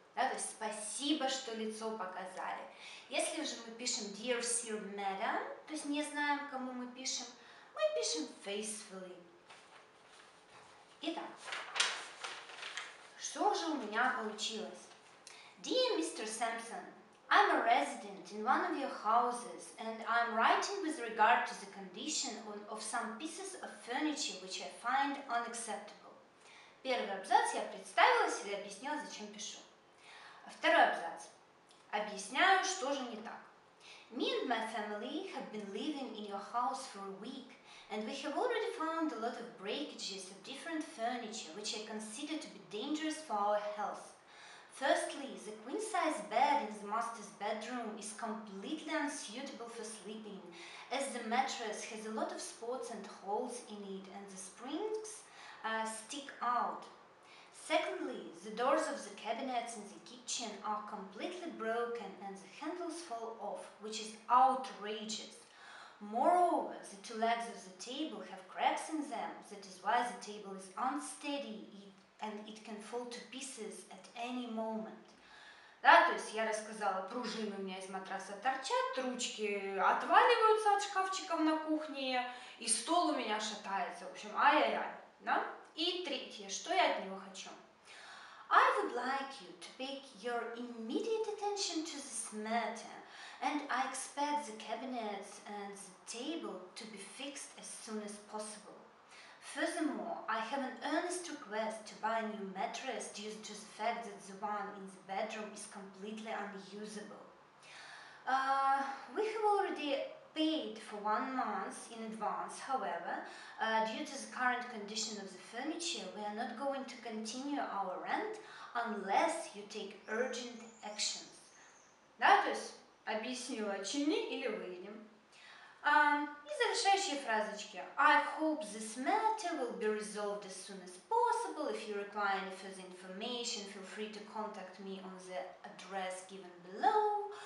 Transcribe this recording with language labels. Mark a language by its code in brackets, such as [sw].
[ru] Да, то есть спасибо, что лицо показали. Если же мы пишем [en] Dear Sir Madam, [ru] то есть не знаем, кому мы пишем [en] faithfully. [ru] Итак, что же у меня получилось? [en] Dear Mr. Sampson, I'm a resident in one of your houses and I'm writing with regard to the condition of some pieces of furniture which I find unacceptable. [ru] Первый абзац, я представилась или объяснила, зачем пишу. Второй абзац. Объясняю, что же не так. [en] Me and my family have been living in your house for a week, and we have already found a lot of breakages of different furniture, which I consider to be dangerous for our health. Firstly, the queen-size bed in the master's bedroom is completely unsuitable for sleeping, as the mattress has a lot of spots and holes in it, and the springs stick out. Secondly, the doors of the cabinets in the kitchen are completely broken and the handles fall off, which is outrageous. Moreover, the two legs of the table have cracks in them. That is why the table is unsteady and it can fall to pieces at any moment. [ru] Да, то есть я рассказала, пружины у меня из матраса торчат, ручки отваливаются от шкафчиков на кухне, и стол у меня шатается. В общем, ай-яй-яй, да? И третье, что я от него хочу. [en] I would like you to pay your immediate attention to this matter, and I expect the cabinets and the table to be fixed as soon as possible. Furthermore, I have an earnest request to buy a new mattress due to the fact that the one in the bedroom is completely unusable. We have already paid for 1 month in advance, however, due to the current condition of the furniture, we are not going to continue our rent unless you take urgent actions. [ru] Да, то есть, объясню, очини или выйдем. И завершающие фразочки. [en] I hope this matter will be resolved as soon as possible. If you require any further information, feel free to contact me on the address given below.